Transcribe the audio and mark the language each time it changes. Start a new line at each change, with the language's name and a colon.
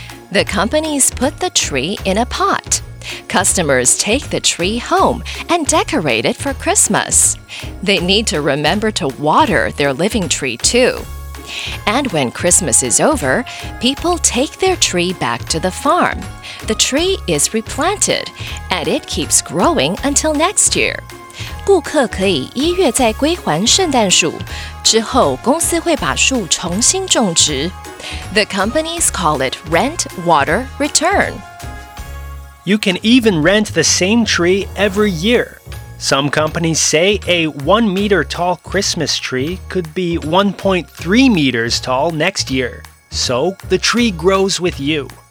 English: The companies put the tree in a pot. Customers take the tree home and decorate it for Christmas. They need to remember to water their living tree too. And when Christmas is over, people take their tree back to the farm. The tree is replanted, and it keeps growing until next year.
Chinese: 顾客可以一月再归还圣诞树，之后公司会把树重新种植。
English: The companies call it rent water return. You can even rent the same tree every year. Some companies say a 1 meter tall Christmas tree could be 1.3 meters tall next year. So the tree grows with you.